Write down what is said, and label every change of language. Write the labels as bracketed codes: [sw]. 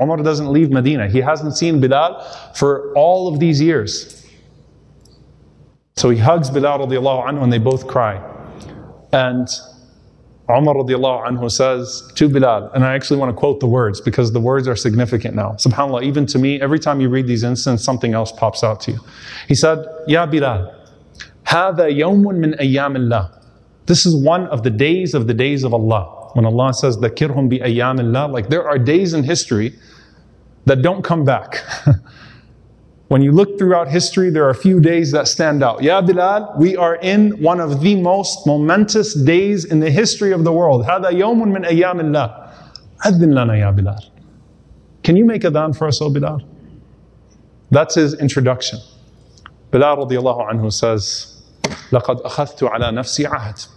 [en] Umar doesn't leave Medina. He hasn't seen Bilal for all of these years. So he hugs Bilal radiallahu anhu and they both cry. And Umar radiallahu anhu says to Bilal, and I actually want to quote the words because the words are significant now. SubhanAllah, even to me, every time you read these incidents, something else pops out to you. He said, [ar] Ya Bilal, هذا يوم من أيام الله. [en] This is one of the days of Allah. When Allah says, [ar] ذكرهم بأيام الله, [en] like there are days in history that don't come back. When you look throughout history, there are a few days that stand out. Ya Bilal, we are in one of the most momentous days in the history of the world. [ar] هذا يوم من أيام الله. أذن لنا يا بلال. [en] Can you make adhan for us, O Bilal? That's his introduction. [ar] Bilal radiallahu anhu says, لقد أخذت على نفسي عهد.